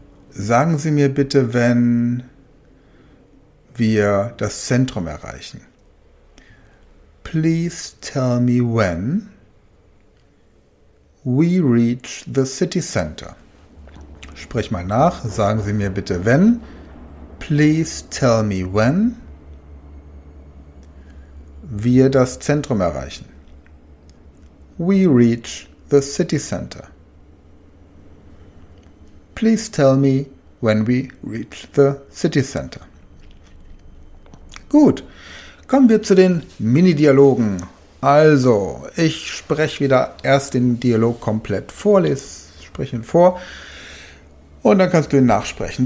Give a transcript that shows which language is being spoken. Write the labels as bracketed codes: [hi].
[de] Sagen Sie mir bitte, wenn wir das Zentrum erreichen. [en] Please tell me when we reach the city center. [de] Sprich mal nach, sagen Sie mir bitte, wenn. [en] Please tell me when [de] wir das Zentrum erreichen. [en] We reach the city center. Please tell me when we reach the city center. [de] Gut, kommen wir zu den Mini-Dialogen. Also, ich spreche wieder erst den Dialog komplett vor, spreche ihn vor und dann kannst du ihn nachsprechen.